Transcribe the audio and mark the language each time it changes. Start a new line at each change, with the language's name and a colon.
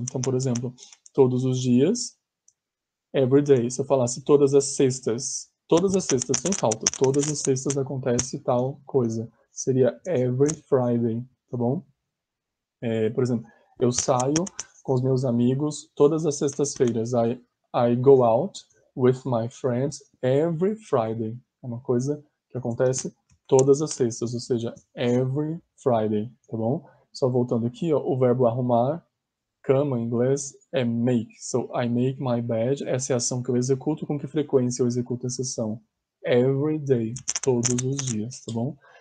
Portuguese: Então, por exemplo, todos os dias,
English: every day.
Portuguese: Se eu falasse todas as sextas, sem falta, todas as sextas acontece tal coisa. Seria
English: every Friday,
Portuguese: tá bom? Por exemplo, eu saio com os meus amigos todas as sextas-feiras.
English: I go out with my friends every Friday.
Portuguese: É uma coisa que acontece todas as sextas, ou seja,
English: every Friday,
Portuguese: tá bom? Só voltando aqui, ó, o verbo arrumar cama em inglês é make.
English: So I make my bed.
Portuguese: Essa é a ação que eu executo. Com que frequência eu executo essa ação?
English: Every day,
Portuguese: todos os dias, tá bom?